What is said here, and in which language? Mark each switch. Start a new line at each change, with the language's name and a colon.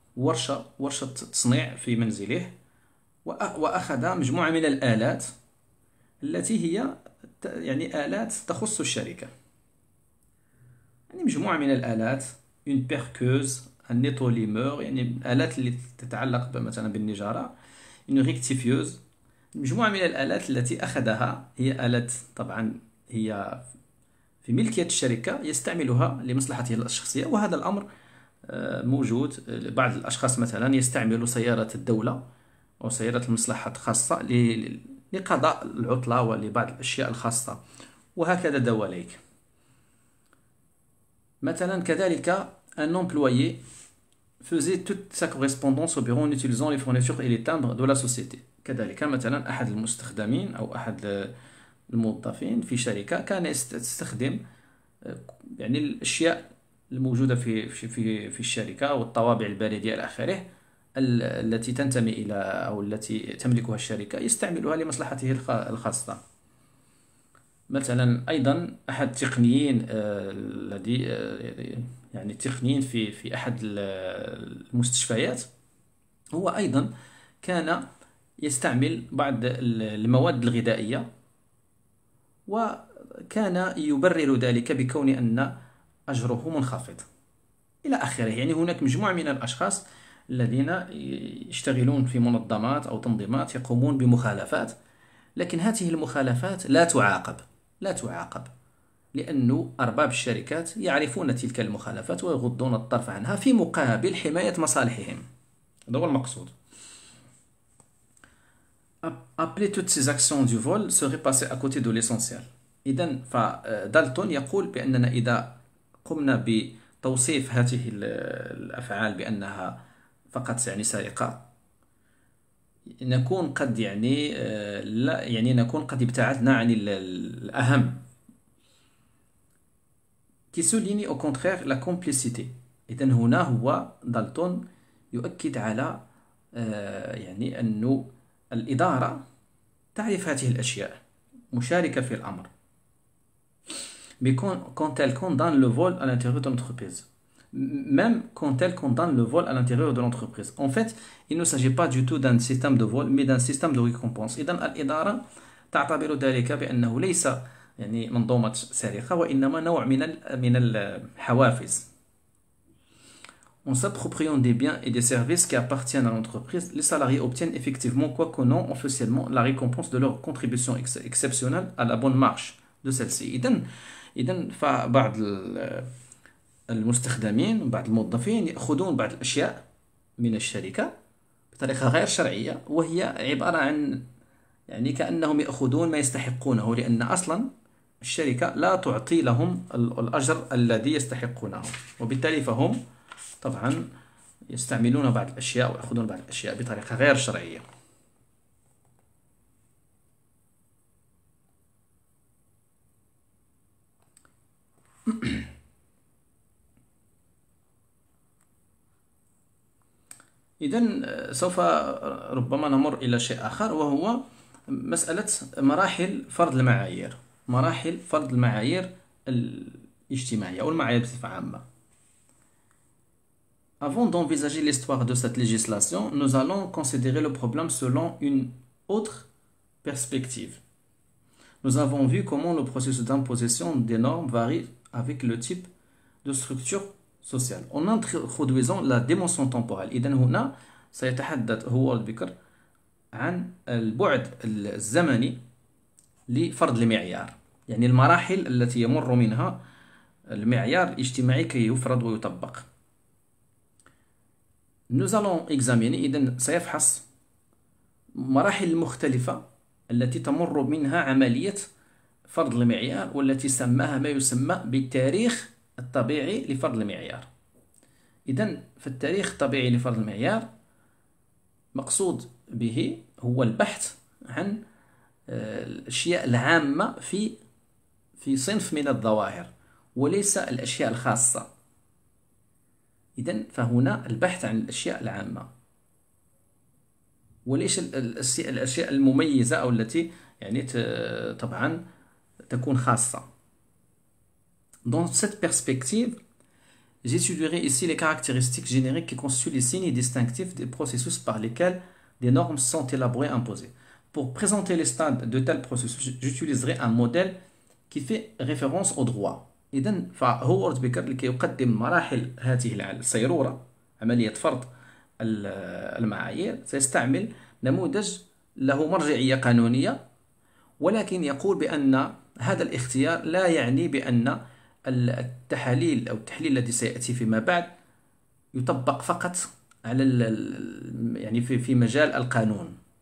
Arabic: ورشة تصنيع في منزله، وأخذ مجموعة من الآلات التي هي يعني آلات تخص الشركة، يعني مجموعة من الآلات،
French: une perceuse, un nettolimeur،
Arabic: يعني آلات اللي تتعلق مثلا بالنجارة،
French: une rectifieuse،
Arabic: مجموعة من الآلات التي أخذها، هي آلات طبعا هي في ملكية الشركة، يستعملها لمصلحته الشخصية. وهذا الأمر موجود، بعض الأشخاص مثلا يستعملوا سيارة الدولة أو سيارة المصلحة الخاصة لقضاء العطلة ولبعض الأشياء الخاصة، وهكذا دواليك. مثلا كذلك
French: un employé faisait toute sa correspondance au bureau en utilisant les fournitures et les timbres de la société.
Arabic: كذلك مثلا أحد المستخدمين أو أحد الموظفين في شركة كان يستخدم يعني الأشياء الموجودة في الشركة والطوابع البريدية إلى آخره التي تنتمي إلى أو التي تملكها الشركة، يستعملها لمصلحته الخاصة. مثلا أيضا أحد التقنيين الذي يعني التقنيين في أحد المستشفيات، هو أيضا كان يستعمل بعض المواد الغذائية، وكان يبرر ذلك بكون أن أجره منخفض إلى آخره. يعني هناك مجموعة من الأشخاص الذين يشتغلون في منظمات أو تنظيمات يقومون بمخالفات، لكن هذه المخالفات لا تعاقب، لأن أرباب الشركات يعرفون تلك المخالفات ويغضون الطرف عنها في مقابل حماية مصالحهم. هذا هو المقصود.
French: Appeler toutes ces actions du vol serait passer à côté de l'essentiel.
Arabic: إذن فدالتون يقول بأننا إذا قمنا بتوصيف هذه الأفعال بأنها فقط يعني سرقة، نكون قد يعني لا يعني نكون قد ابتعدنا عن الأهم.
French: Qui souligne au contraire la complicité.
Arabic: إذن هنا هو دالتون يؤكد على يعني أنه الإدارة تعرف هذه الأشياء، مشاركة في الأمر.
French: Mais quand elle condamne le vol à l'intérieur de l'entreprise. Même quand elle condamne le vol à l'intérieur de l'entreprise. En fait, il ne s'agit pas du tout d'un système de vol, mais d'un système de récompense.
Arabic: إذن الإدارة تعتبر ذلك بأنه ليس يعني منظومة سرقة، وإنما نوع من الحوافز.
French: En s'appropriant des biens et des services qui appartiennent à l'entreprise, les salariés obtiennent effectivement, quoique non officiellement, la récompense de leur contribution exceptionnelle à la bonne marche de celle-ci.
Arabic: إذن فبعض المستخدمين وبعض الموظفين يأخذون بعض الأشياء من الشركة بطريقة غير شرعية، وهي عبارة عن يعني كأنهم يأخذون ما يستحقونه، لأن أصلاً الشركة لا تعطي لهم الأجر الذي يستحقونه، وبالتالي فهم طبعا يستعملون بعض الأشياء ويأخذون بعض الأشياء بطريقة غير شرعية. إذن سوف ربما نمر إلى شيء آخر، وهو مسألة مراحل فرض المعايير، مراحل فرض المعايير الاجتماعية أو المعايير بصفة عامة.
French: Avant d'envisager l'histoire de cette législation, nous allons considérer le problème selon une autre perspective. Nous avons vu comment le processus d'imposition des normes varie avec le type de structure sociale. En introduisant la dimension temporelle,
Arabic: إذن هنا سيتحدث هوارد بيكر عن البعد الزمني لفرض المعيار، يعني المراحل التي يمر منها المعيار الاجتماعي كي يفرض ويطبق.
French: Nous allons examiner,
Arabic: إذن سيفحص مراحل مختلفة التي تمر منها عملية فرض المعيار، والتي سماها ما يسمى بالتاريخ الطبيعي لفرض المعيار. إذن في التاريخ الطبيعي لفرض المعيار مقصود به هو البحث عن الأشياء العامة في صنف من الظواهر، وليس الأشياء الخاصة. إذن فهنا البحث عن الأشياء العامة، وليس الأشياء المميزة أو التي يعني طبعا تكون خاصة.
French: Dans cette perspective, J'étudierai ici les caractéristiques génériques qui constituent les signes distinctifs des processus par lesquels des normes sont élaborées et imposées. Pour présenter les stades de tels processus, j'utiliserai un modèle qui fait référence au droit.
Arabic: إذن فهو ورد بكر لكي يقدم مراحل هذه الصيرورة عملية فرض المعايير سيستعمل نموذج له مرجعية قانونية ولكن يقول بأن هذا الاختيار لا يعني بأن التحاليل أو التحليل الذي سيأتي فيما بعد يطبق فقط على يعني في مجال القانون.